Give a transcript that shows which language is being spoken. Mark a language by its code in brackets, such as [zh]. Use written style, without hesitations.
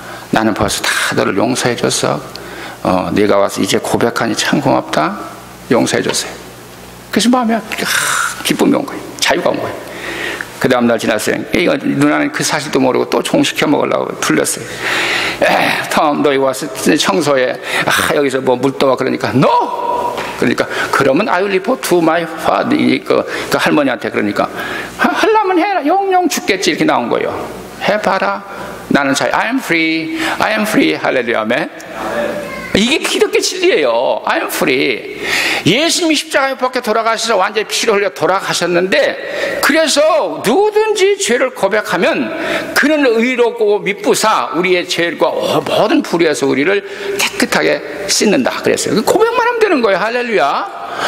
[ko] 나는 벌써 다 너를 용서해줬어. 네가 와서 이제 고백하니 참 고맙다. 용서해줬어요. 그래서 마음에 기쁨이 온 거예요. 자유가 온 거예요. 그 다음날 지났어요. 이거 누나는 그 사실도 모르고 또 종 시켜 먹으려고 불렸어요. 다음 너 이거 와서 청소해. 아, 여기서 뭐 물떠와. 그러니까 너! 그러니까 그러면 [en] I will report to my father. [ko] 그 할머니한테 그러니까 하려면 해라. 용용 죽겠지. 이렇게 나온 거예요. 해봐라. 나는 자유. [en] I am free. I am free. [ko] 할렐루야. 이게 기독교 진리예요. [en] I am free. [ko] 예수님이 십자가에 벗겨 돌아가셔서 완전히 피를 흘려 돌아가셨는데 그래서 누구든지 죄를 고백하면 그는 의롭고 미쁘사 우리의 죄과 모든 불의에서 우리를 깨끗하게 씻는다 그랬어요. 고백만 하면 되는 거예요. 할렐루야.